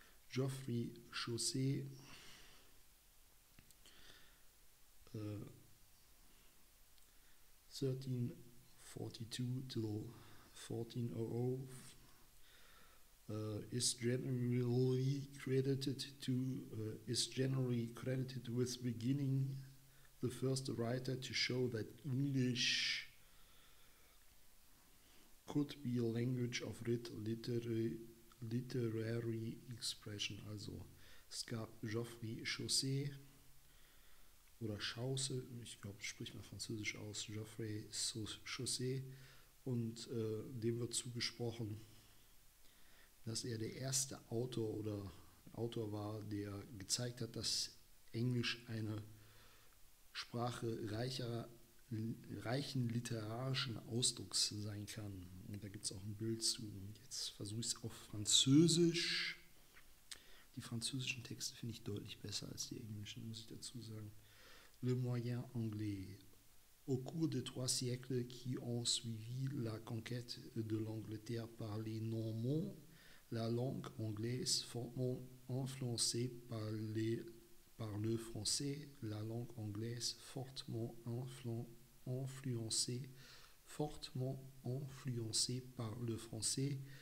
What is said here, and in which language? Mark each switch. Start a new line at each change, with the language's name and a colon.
English: Geoffrey Chaucer, uh, 1342 till 1400, is generally credited with beginning the first writer to show that English could be a language of literary expression.
German: Also es gab Geoffrey Chaucer oder Chausse, ich glaube, spricht man Französisch aus, Geoffrey Chaucer, und dem wird zugesprochen, dass er der erste Autor war, der gezeigt hat, dass Englisch eine Sprache reichen literarischen Ausdrucks sein kann. Und da gibt es auch ein Bild zu. Jetzt versuche ich es auf Französisch. Die französischen Texte finde ich deutlich besser als die englischen, muss ich dazu sagen.
French: Le moyen anglais. Au cours des trois siècles qui ont suivi la conquête de l'Angleterre par les Normands, la langue anglaise, fortement influencée par le français,